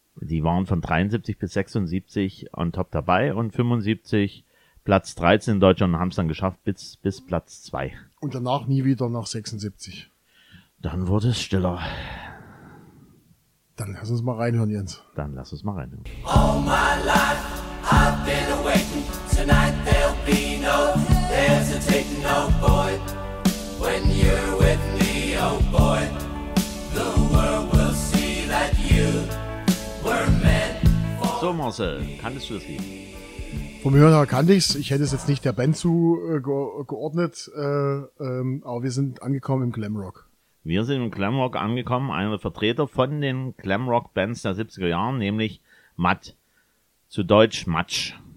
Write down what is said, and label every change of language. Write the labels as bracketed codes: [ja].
[de] Die waren von 73 bis 76 on top dabei und 75 Platz 13 in Deutschland und haben es dann geschafft bis Platz 2. Und danach nie wieder nach 76. Dann wurde es stiller. Dann lass uns mal reinhören, Jens. Dann lass uns mal reinhören. [en] All my life I've been waiting. Tonight there'll be no hesitating, oh boy. When you're with me, oh boy, the world will see that you were meant for me. [de] So Marcel, kanntest du das Lied? Vom Hören her kannte ich's. Ich hätte es jetzt nicht der Band zugeordnet, aber wir sind angekommen im Glamrock. Wir sind im Glamrock angekommen, einer Vertreter von den Glamrock-Bands der 70er Jahre, nämlich Matt, zu Deutsch Matsch.